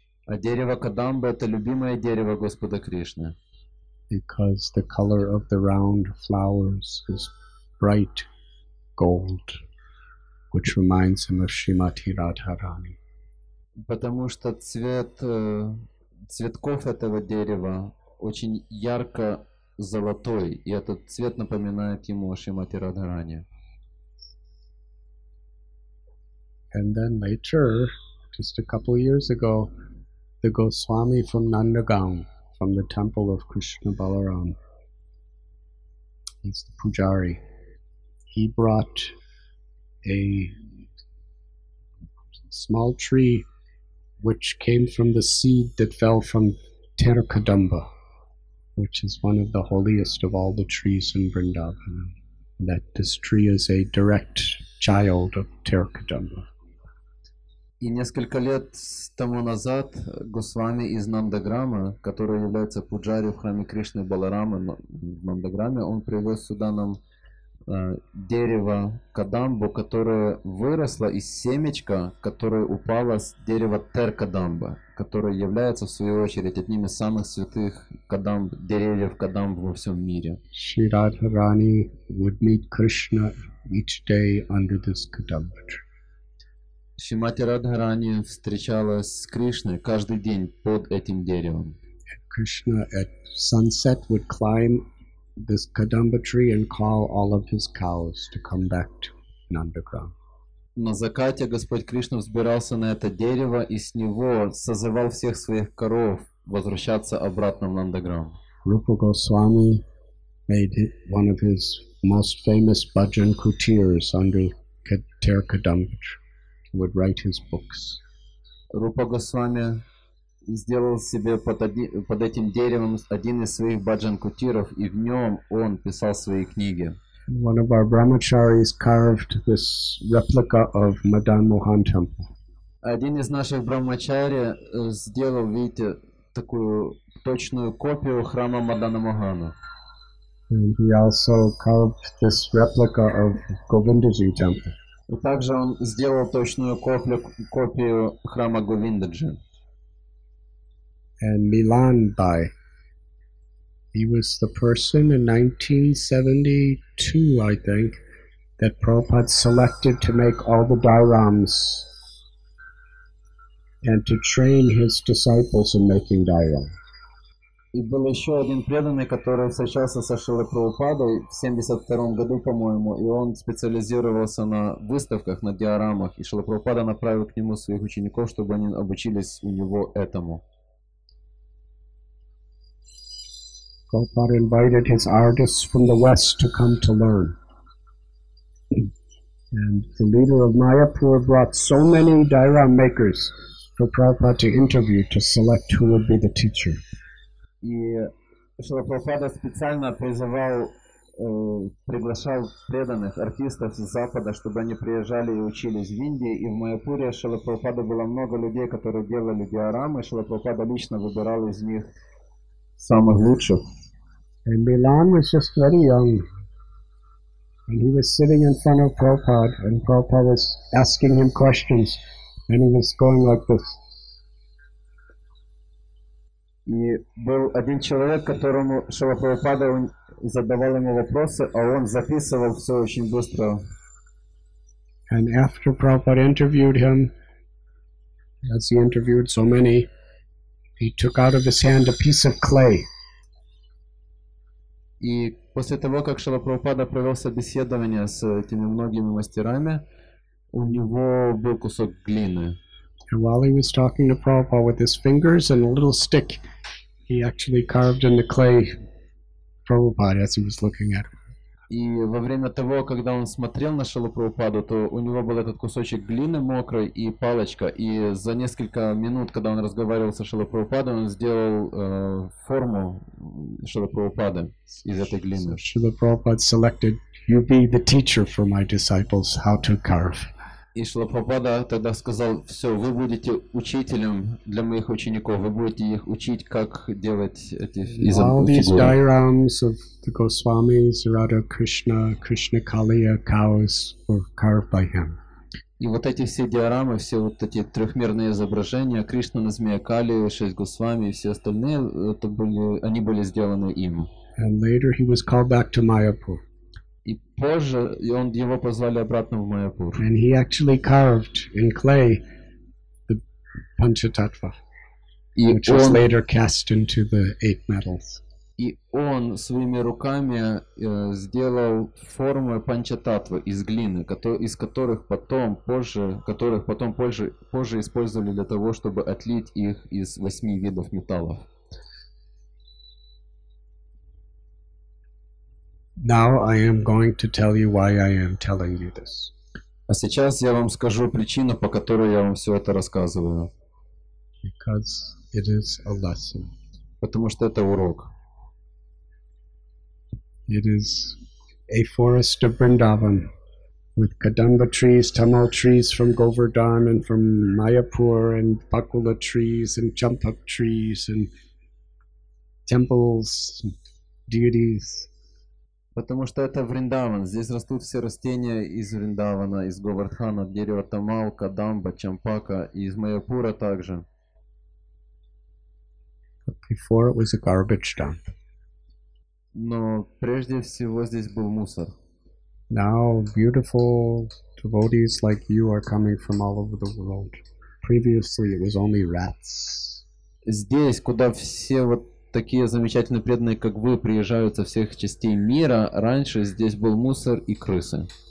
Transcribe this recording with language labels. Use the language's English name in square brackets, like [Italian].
[Russian] А дерево кадамба — это любимое дерево Господа Кришны. [English] Because the color of the round flowers is bright gold, which reminds him of Shrimati Radharani. [Russian] Потому что цвет цветков этого дерева очень ярко золотой, и этот цвет напоминает ему о Шримати Радхарани. [English] And then later, just a couple of years ago, the Goswami from Nandagaon, from the temple of Krishna Balaram, he's the pujari, he brought a small tree which came from the seed that fell from Terakadamba, which is one of the holiest of all the trees in Vrindavan. That this tree is a direct child of Terakadamba. [Russian] И несколько лет тому назад Госвами из Нандаграма, который является пуджари в храме Кришны Баларамы в Нандаграме, он привез сюда нам дерево кадамбу, которое выросло из семечка, которое упало с дерева Теркадамба, которое является в свою очередь одним из самых святых кадамб, деревьев кадамб во всем мире. [English] Шри Радхарани would meet Krishna each day under this kadamba tree. [Russian] Шримати Радхарани встречалась с Кришной каждый день под этим деревом. [English] Krishna at sunset would climb this kadamba tree and call all of his cows to come back to Nandagram. [Russian] На закате Господь Кришна взбирался на это дерево и с него созывал всех своих коров возвращаться обратно в Нандаграм. [English] Rupa Goswami made one of his most famous bhajan kutirs under Terakadamba tree. Would write his books. [Russian] Rupa Goswami сделал себе под этим деревом один из своих баджан-кутиров, и в нем он писал свои книги. [English] One of our brahmacharis carved this replica of Madan Mohan temple. [Russian] Один из наших брахмачари сделал, видите, такую точную копию храма Мадана Мохана. [English] And he also carved this replica of Govindaji temple. [Russian] И также он сделал точную копию храма Говиндаджи. [English] And Milan Bhai. He was the person in 1972, I think, that Prabhupada selected to make all the dhyarams and to train his disciples in making dhyaram. [Russian] И был еще один преданный, который встречался со Шрилой Прабхупадой в 72-м году, по-моему, и он специализировался на выставках, на диорамах, и Шрила Прабхупада направил к нему своих учеников, чтобы они обучились у него этому. [English] Prabhupada invited his artists from the West to come to learn. And the leader of Mayapur brought so many diorama makers for Prabhupada to interview to select who would be the teacher. [Russian] И Шрила Прабхупада специально призывал, приглашал преданных артистов с Запада, чтобы они приезжали и учились в Индии. И в Майяпуре Шрила Прабхупада было много людей, которые делали диорамы. Шрила Прабхупада лично выбирал из них самых лучших. [English] And Milan was just very young, and he was sitting in front of Prabhupada, and Prabhupada was asking him questions, and he was going like this. [Russian] И был один человек, которому Шрила Прабхупада задавал ему вопросы, а он записывал все очень быстро. [English] And after Prabhupada interviewed him, as he interviewed so many, he took out of his hand a piece of clay. [Russian] И после того, как Шрила Прабхупада провел собеседование с этими многими мастерами, у него был кусок глины. [English] And while he was talking to Prabhupada with his fingers and a little stick, he actually carved in the clay Prabhupada as he was looking at him. [Russian] И во время того, когда он смотрел на Шрилу Прабхупаду, то у него был этот кусочек глины мокрой и палочка. И за несколько минут, когда он разговаривал со Шрилой Прабхупадой, он сделал форму Шрилы Прабхупады из этой глины. [English] Шрила Прабхупада selected, you be the teacher for my disciples how to carve. [Russian] И Шрила Прабхупада тогда сказал, все, вы будете учителем для моих учеников, вы будете их учить, как делать эти фигуры. [English] All these diorams of the Goswamis, Radha Krishna, Krishna Kaliya, cows were carved by him. [Russian] И вот эти все диорамы, все вот эти трехмерные изображения, Кришна на змее Кали, шесть Госвами и все остальные, это были, они были сделаны им. [English] And later he was called back to Mayapur. [Russian] И позже он, его позвали обратно в Майяпур. [English] And he actually carved in clay the Panchatattva, which was later cast into the eight metals. [Russian] И он своими руками сделал форму Панчататвы из глины, которых потом позже использовали для того, чтобы отлить их из восьми видов металлов. [English] Now I am going to tell you why I am telling you this. [Russian] А сейчас я вам скажу причину, по которой я вам все это рассказываю. [English] Because it is a lesson. [Russian] Потому что это урок. [English] It is a forest of Vrindavan with kadamba trees, tamal trees from Govardhan and from Mayapur and bakula trees and champak trees and temples and deities. [Russian] Потому что это Вриндаван. Здесь растут все растения из Вриндавана, из Говардхана, дерево тамал, кадамба, чампака, и из Майяпура также. [English] Before it was a garbage dump. [Russian] Но прежде всего здесь был мусор. [English] Now beautiful devotees like you are coming from all over the world. Previously it was only rats. [Russian] Здесь, куда все вот такие замечательные преданные, как вы, приезжают со всех частей мира. Раньше здесь был мусор и крысы.